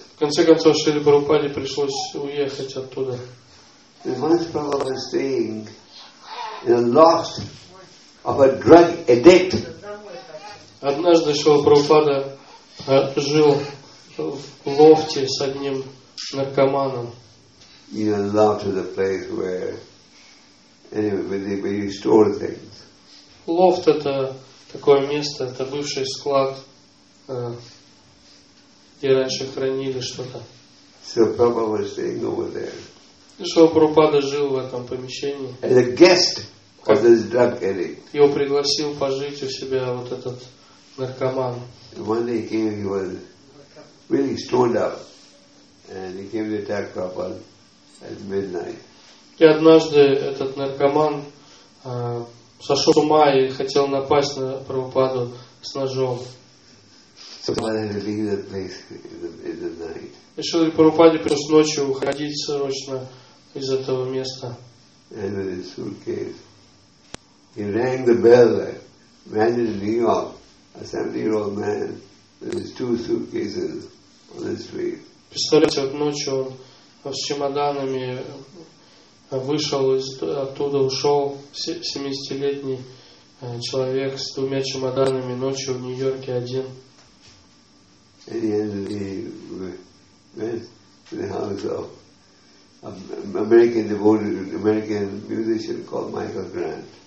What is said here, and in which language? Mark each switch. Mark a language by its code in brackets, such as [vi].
[ru] В конце концов, Шриле Прабхупаде пришлось уехать оттуда. [en] Once Prabhupada was staying in a loft of a drug addict. [ru] Однажды Шрила Прабхупада жил в лофте с одним наркоманом. [en] You know, loft is a place where you store things. [ru] Лофт — это такое место, это бывший склад, где раньше хранили что-то. [en] So Prabhupada was staying over there. [ru] Шрила Прабхупада жил в этом помещении. [en] As a guest of this drug addict. [ru] Его пригласил пожить у себя вот этот наркоман. [en] One day he came, he was really stoned up, and he came to attack Prabhupada at midnight. [ru] И однажды этот наркоман сошел с ума и хотел напасть на Прабхупаду с ножом. [en] So why did he leave that place in the night? [ru] И Шрила Прабхупаде пришлось ночью уходить срочно из этого места. [en] And with his suitcase, he rang the bell there. Man in New York, a 70-year-old man, with his two suitcases on his feet. [ru] Представляете, вот ночью он с чемоданами вышел из оттуда, ушел 70-летний человек с двумя чемоданами ночью в Нью-Йорке один. [en] And he ended the house of American musician called Michael Grant.